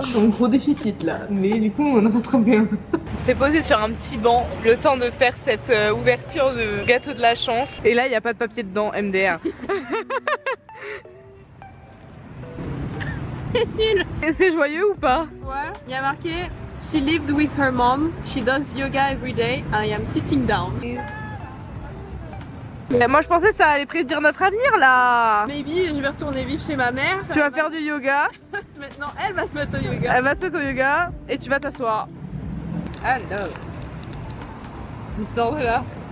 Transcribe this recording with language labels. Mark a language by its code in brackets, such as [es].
[fr] Je suis en gros déficit là. Mais du coup, on en rattrape un. On s'est posé sur un petit banc le temps de faire cette ouverture de gâteau de la chance. Et là, il n'y a pas de papier dedans, MDR. C'est nul. Et c'est joyeux ou pas? Ouais. Il y a marqué [en] She lived with her mom. She does yoga every day. I am sitting down. [fr] Mais moi je pensais que ça allait prédire notre avenir là. Maybe je vais retourner vivre chez ma mère. Tu vas faire du yoga. Non, elle va se mettre au yoga. Elle va se mettre au yoga et tu vas t'asseoir. [en] Hello. [fr] Il sort de là.